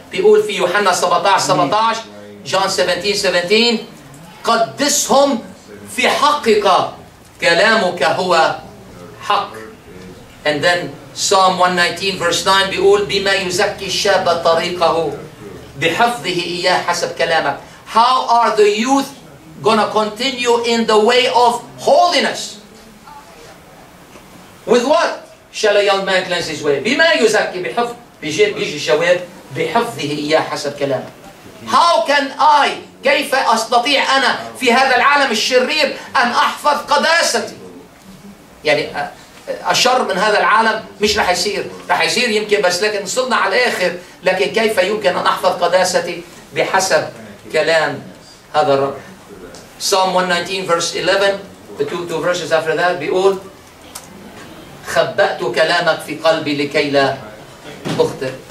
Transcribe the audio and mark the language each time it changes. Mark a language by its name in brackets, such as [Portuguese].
[Arabic] بيقول في يوحنا 17:17 John 17:17 قدسهم في حقك، كلامك هو حق. [English] And then Psalm 119:9 [Arabic] بيقول بما يزكي الشاب طريقه، بحفظه إياه حسب كلامك. [English] How are the youth gonna continue in the way of holiness? With what shall a young man cleanse his way? [Arabic] بما يزكي بحفظ بيجي الشباب بحفظه إياه حسب كلامك. [English] How can I [Arabic] كيف أستطيع أنا في هذا العالم الشرير أن أحفظ قداستي؟ يعني الشر من هذا العالم مش رح يصير، رح يصير يمكن بس لكن صلنا على الآخر، لكن كيف يمكن أن أحفظ قداستي بحسب كلام هذا الرب؟ [English] Psalm 119 verse 11 the two verses after that [Arabic] بيقول خبأت كلامك في قلبي لكي لا أخطئ.